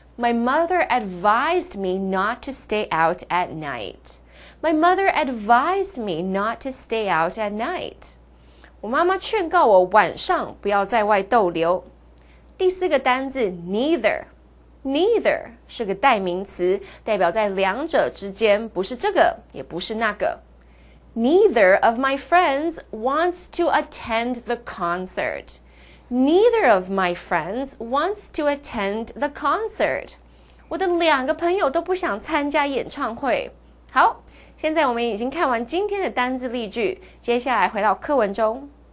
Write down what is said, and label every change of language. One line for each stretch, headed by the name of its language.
English: My mother advised me not to stay out at night. My mother advised me not to stay out at night.
Chinese: 我妈妈劝告我晚上不要在外逗留。第四个单字 neither, neither 是个代名词，代表在两者之间，不是这个，也不是那个。
English: Neither of my friends wants to attend the concert. Neither of my friends wants to attend the concert.
Chinese: 我的两个朋友都不想参加演唱会。好，现在我们已经看完今天的单字例句，接下来回到课文中。